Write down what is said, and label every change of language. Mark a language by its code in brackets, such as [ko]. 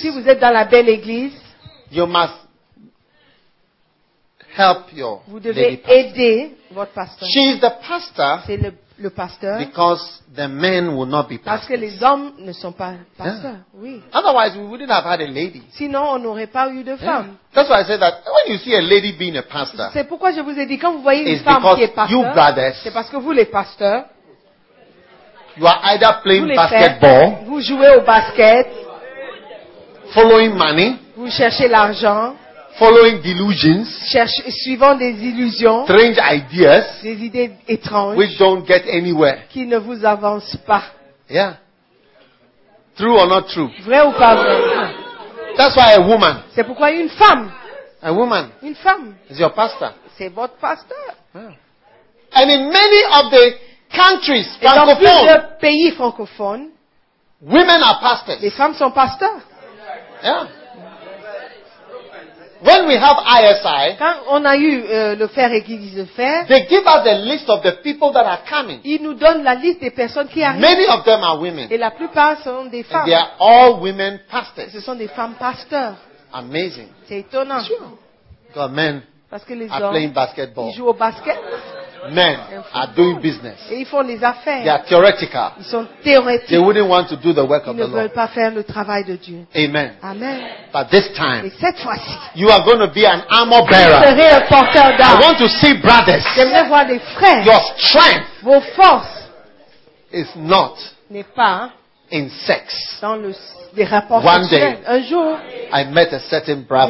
[fr] si vous êtes dans la Belle Église, [en] you must help your [fr] vous devez aider votre pasteur. [en] She is the pastor. [fr] C'est le pasteur. [en] Because the men will not be pastors. [fr] Parce que les hommes ne sont pas pasteurs. Yeah. Oui. [en] Otherwise, we wouldn't have had a lady. [fr] Sinon, on n'aurait pas eu de femme. Yeah. [en] That's why I said that when you see a lady being a pastor. [fr] C'est pourquoi je vous ai dit quand vous voyez une femme qui est pasteur. [en] You brothers, [fr] c'est parce que vous les pasteurs. [en] You are either playing basketball. [fr] Frères, vous jouez au basket. [en] Following money. [fr] Vous cherchez l'argent. [en] Following delusions, [fr] suivant des illusions, [en] strange ideas, [fr] des idées étranges, [en] which don't get anywhere, [fr] qui ne vous avancent pas. [en] Yeah. True or not true? [fr] Vrai ou pas vrai? [en] That's why a woman. [fr] C'est pourquoi une femme. [en] A woman. [fr] Une femme. [en] Is your pastor. [fr] C'est votre pasteur. [en] Yeah. And in many of the countries, [fr] et dans plusieurs pays francophones, [en] women are pastors. [fr] Les femmes sont pasteurs. Yeah. [en] When we have ISI, [fr] quand on a eu le fer et guise de fer, [en] they give us the list of the people that are coming. [fr] Ils nous donnent la liste des personnes qui arrivent. [en] Many of them are women. [fr] Et la plupart sont des femmes. [en] And they are all women pastors. [fr] Ce sont des femmes pasteurs. [en] Amazing. [fr] C'est étonnant. [en] God, men [fr] parce que les [en] are [fr] hommes [en] playing basketball. [fr] Ils jouent au basket. [en] Men are doing business. [fr] Et ils font les affaires. [en] They are theoretical. [fr] Ils sont théoriques. [en] They wouldn't want to do the work [fr] ils [en] of the Lord. [fr] Ils ne veulent pas faire le travail de Dieu. Amen. Amen. [en] But this time, [fr] et cette fois-ci, [en] you are going to be an armor bearer. [fr] Vous serez un porteur d'armes. [en] I want to see brothers. [fr] J'aimerais voir des frères. [en] Your strength, [fr] vos forces, [en] is not [fr] n'est pas [en] in sex. [fr] Dans les rapports [en] sexuels. One day, [fr] un jour, [en] I met a certain brother.